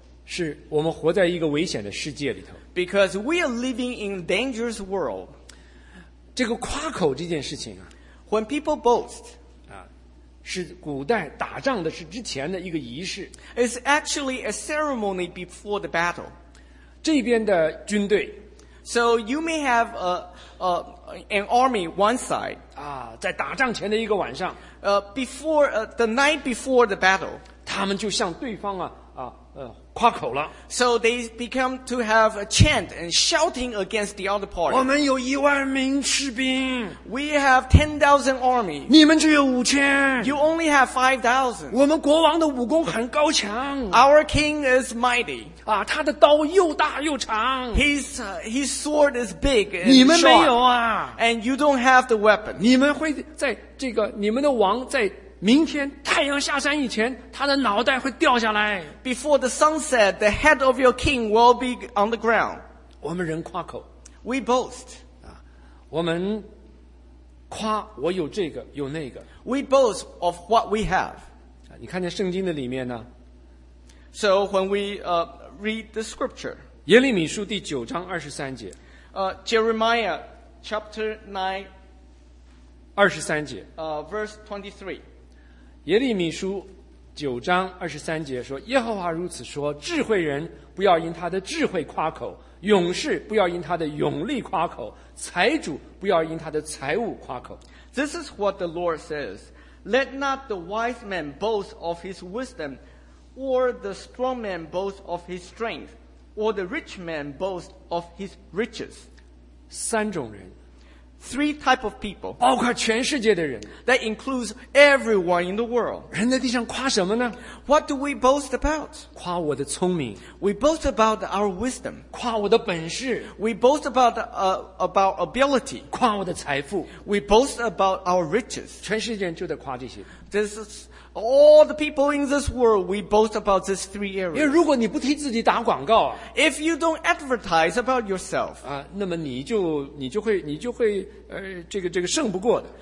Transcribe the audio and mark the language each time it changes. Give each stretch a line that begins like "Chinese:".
Chinese: 是我们活在一个危险的世界里头。
English: Because we are living in a dangerous world.
Chinese: 这个夸口这件事情啊。
English: When people boast.
Chinese: 是古代打仗的是之前的一个仪式。
English: It's actually a ceremony before the battle.
Chinese: 这边的军队。
English: So you may have an army one side.
Chinese: 啊，在打仗前的一个晚上。
English: The night before the battle.
Chinese: 他们就向对方夸口了。
English: So they become to have a chant and shouting against the other party.
Chinese: 我们有一万名士兵。
English: We have 10,000 army.
Chinese: 你们只有五千。
English: You only have 5,000.
Chinese: 我们国王的武功很高强。
English: Our king is mighty.
Chinese: 啊，他的刀又大又长。
English: His sword is big and sharp.
Chinese: 你们没有啊。
English: And you don't have the weapon.
Chinese: 你们会在这个，你们的王在明天太阳下山以前，他的脑袋会掉下来。
English: Before the sunset, the head of your king will be on the ground.
Chinese: 我们人夸口。
English: We boast.
Chinese: 我们夸我有这个有那个。
English: We boast of what we have.
Chinese: 你看见圣经的里面呢
English: ？So when we read the scripture,
Chinese: 耶利米书第九章二十三节。
English: Jeremiah chapter 9,
Chinese: 二十三节。
English: Verse 23.
Chinese: 耶利米书九章二十三节说：“耶和华如此说，智慧人不要因他的智慧夸口，勇士不要因他的勇力夸口，财主不要因他的财物夸口。”
English: This is what the Lord says: Let not the wise man boast of his wisdom, or the strong man boast of his strength, or the rich man boast of his riches.
Chinese: 三种人。
English: Three type of people,
Chinese: 包括全世界的人。
English: That includes everyone in the world.
Chinese: 人在地上夸什么呢
English: ？What do we boast about?
Chinese: 夸我的聪明。
English: We boast about our wisdom.
Chinese: 夸我的本事。
English: We boast about ability.
Chinese: 夸我的财富。
English: We boast about our riches.
Chinese: 全世界人就在夸这些。
English: This is all the people in this world. We boast about these three areas.
Chinese: 因为如果你不替自己打广告
English: ，If you don't advertise about yourself,
Chinese: 那么你就会这个胜不过的。